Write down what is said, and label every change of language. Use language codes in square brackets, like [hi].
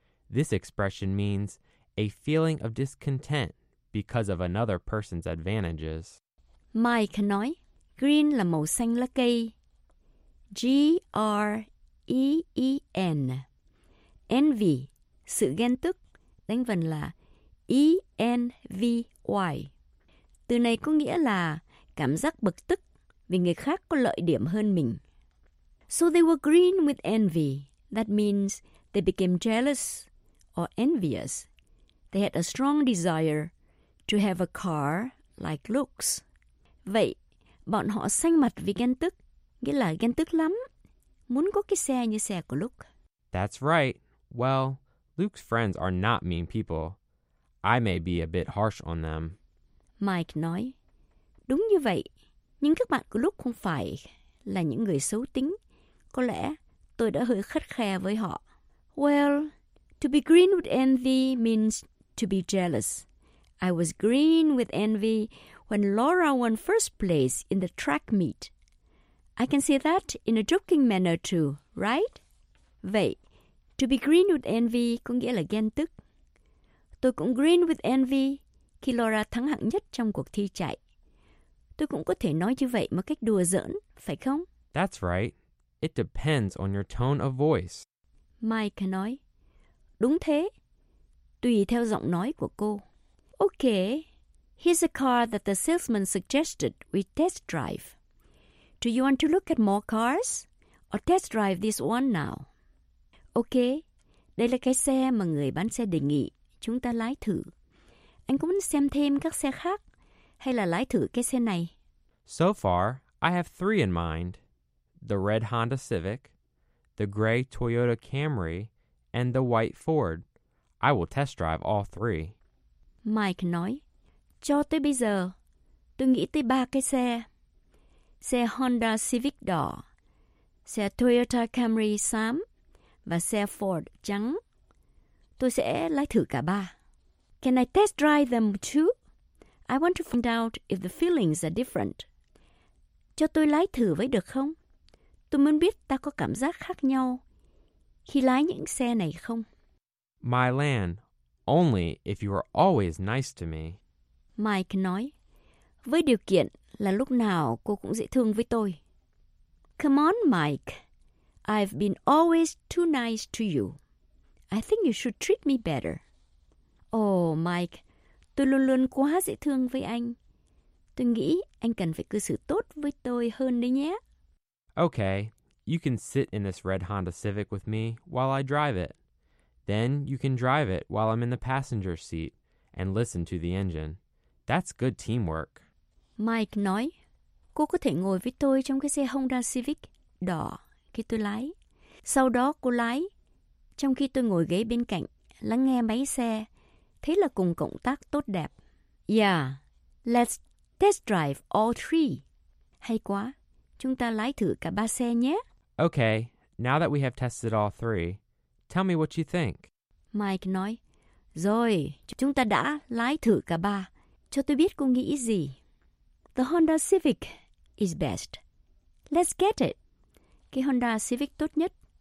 [en] This expression means a feeling of discontent because of another person's advantages. [vi] Mike nói, green là màu xanh lá cây. G-R-E-E-N. Envy, sự ghen tức, đánh vần là E-N-V-Y. Từ này có nghĩa là cảm giác bực tức vì người khác có lợi điểm hơn mình. [en] So they were green with envy. That means they became jealous or envious. They had a strong desire to have a car like Luke's. [vi] Vậy, bọn họ xanh mặt vì ghen tức, nghĩa là ghen tức lắm, muốn có cái xe như xe của Luke. [en] That's right. Well, Luke's friends are not mean people. I may be a bit harsh on them. [vi] Mike nói, đúng như vậy, nhưng các bạn của Luke không phải là những người xấu tính. Có lẽ tôi đã hơi khắt khe với họ. [en] Well, to be green with envy means to be jealous. I was green with envy when Laura won first place in the track meet. I can say that in a joking manner too, right? [vi] Vậy, [en] to be green with envy [vi] có nghĩa là ghen tức. Tôi cũng [en] green with envy [vi] khi Laura thắng hạng nhất trong cuộc thi chạy. Tôi cũng có thể nói như vậy một cách đùa giỡn, phải không? [en] That's right. It depends on your tone of voice. [vi] Mike nói, đúng thế. Tùy theo giọng nói của cô. [en] Okay, here's a car that the salesman suggested we test drive. Do you want to look at more cars? Or test drive this one now? [vi] Okay, đây là cái xe mà người bán xe đề nghị chúng ta lái thử. Anh có muốn xem thêm các xe khác? Hay là lái thử cái xe này? [en] So far, I have three in mind. The red Honda Civic, the gray Toyota Camry, and the white Ford. I will test drive all three. [vi] Mike nói, cho tới bây giờ, tôi nghĩ tới ba cái xe. Xe Honda Civic đỏ, xe Toyota Camry xám, và xe Ford trắng. Tôi sẽ lái thử cả ba. [en] Can I test drive them too? I want to find out if the feelings are different. [vi] Cho tôi lái thử với được không? Tôi muốn biết ta có cảm giác khác nhau khi lái những xe này không? [en] My land, only if you are always nice to me. [vi] Mike nói, với điều kiện là lúc nào cô cũng dễ thương với tôi. [en] Come on, Mike. I've been always too nice to you. I think you should treat me better. [vi] Oh, Mike, tôi luôn luôn quá dễ thương với anh. Tôi nghĩ anh cần phải cư xử tốt với tôi hơn đấy nhé. [en] Okay, you can sit in this red Honda Civic with me while I drive it. Then you can drive it while I'm in the passenger seat and listen to the engine. That's good teamwork. [vi] Mike nói, cô có thể ngồi với tôi trong cái xe Honda Civic đỏ khi tôi lái. Sau đó cô lái, trong khi tôi ngồi ghế bên cạnh, lắng nghe máy xe. Thế là cùng cộng tác tốt đẹp. [en] Yeah, let's test drive all three. [vi] Hay quá. Chúng ta lái thử cả ba xe nhé. [en] Okay, now that we have tested all three, tell me what you think. [vi] Mike nói, rồi, chúng ta đã lái thử cả ba. Cho tôi biết cô nghĩ gì. [en] The Honda Civic is best. Let's get it. [vi] Cái Honda Civic tốt nhất.